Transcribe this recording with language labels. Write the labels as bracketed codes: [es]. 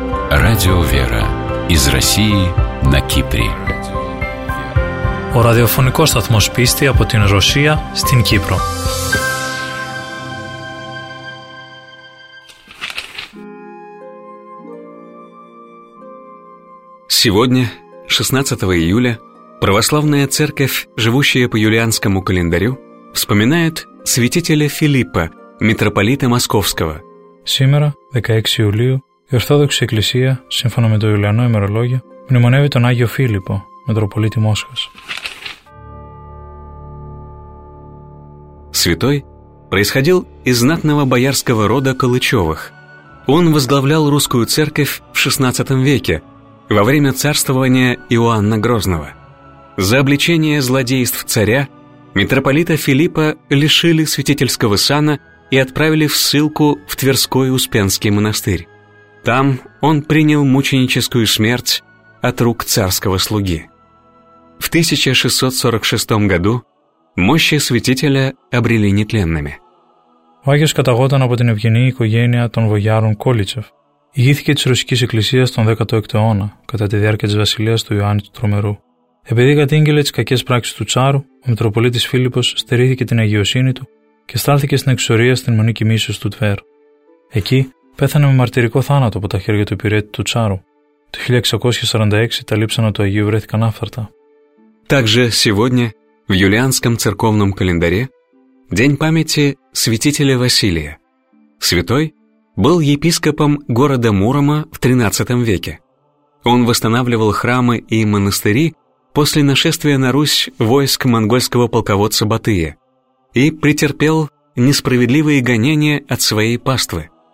[ru] Радио «Вера» из России на Кипре. [el] Ο ραδιοφωνικός σταθμός πίστη από την Ρωσία στην Κύπρο. [ru] Сегодня, 16 июля, православная церковь, живущая по юлианскому календарю, вспоминает святителя Филиппа, митрополита Московского. Сегодня, 16 июля, [el] η Ορθόδοξη Εκκλησία, σύμφωνα με το Ιουλιανό ημερολόγιο, μνημονεύει τον Άγιο Φίλιππο, Μητροπολίτη Μόσχας. [ru] Святой происходил из знатного боярского рода Калычевых. Он возглавлял русскую церковь в XVI веке, во время царствования Иоанна Грозного. За обличение злодейств царя митрополита Филиппа лишили святительского сана и отправили в ссылку в Тверской Успенский монастырь. Там он принял мученическую смерть от рук царского слуги. В 1646 году мощи святителя обрели нетленными. [el] Ο Άγιος καταγόταν από την ευγενή οικογένεια των Βογιάρων Κόλιτσεφ. Ηγήθηκε της Ρωσικής Εκκλησίας τον 16ο αιώνα, κατά τη διάρκεια της βασιλείας του Ιωάννη του Τρομερού. Επειδή κατήγγειλε τις κακές πράξεις του Τσάρου, ο Μητροπολίτης Φίλιππος στερήθηκε την αγιοσύνη του και στάλθηκε στην εξορία στην Μονή Κοιμήσεως του Τβέρ. Εκεί πέθανε με μαρτυρικό θάνατο από τα χέρια του υπηρέτη του Τσάρου. Το 1646 τα λείψανα του Αγίου βρέθηκαν άφθαρτα. [ru] Также сегодня в юлианском церковном календаре день памяти святителя Василия. Святой был епископом города Мурома в XIII веке. Он восстанавливал храмы и монастыри после нашествия на Русь войск монгольского полководца Батыя и претерпел несправедливые гонения от своей паствы.